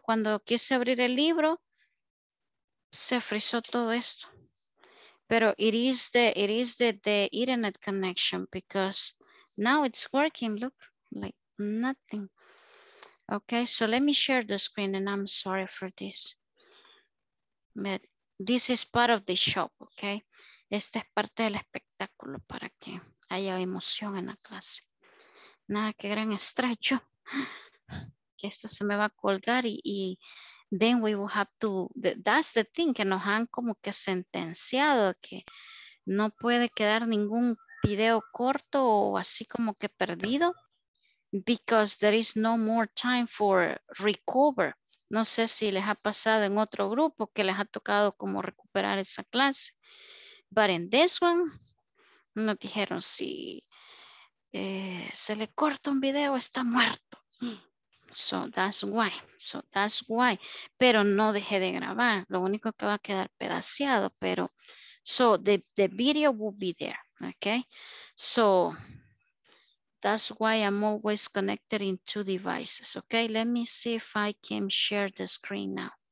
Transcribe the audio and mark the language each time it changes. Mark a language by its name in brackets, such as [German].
[Spanish] Cuando quise abrir el libro, se frizó todo esto. Pero [English] it is the internet connection, because now it's working. Look, like nothing. Okay, so let me share the screen, and I'm sorry for this. But this is part of the show, okay? [Spanish] Esta es parte del espectáculo para que haya emoción en la clase. Nada, que gran estrecho. Que esto se me va a colgar y [English] then we will have to, that's the thing, [Spanish] que nos han como que sentenciado, que no puede quedar ningún video corto o así como que perdido, [English] because there is no more time for recover. [Spanish] No sé si les ha pasado en otro grupo que les ha tocado como recuperar esa clase. [English] But in this one, [Spanish] nos dijeron, si se le corta un video, está muerto. [English] So that's why. So that's why. [Spanish] Pero no dejé de grabar. Lo único que va a quedar pedaceado, pero... [English] So the video will be there, okay? So that's why I'm always connected in two devices, okay? Let me see if I can share the screen now.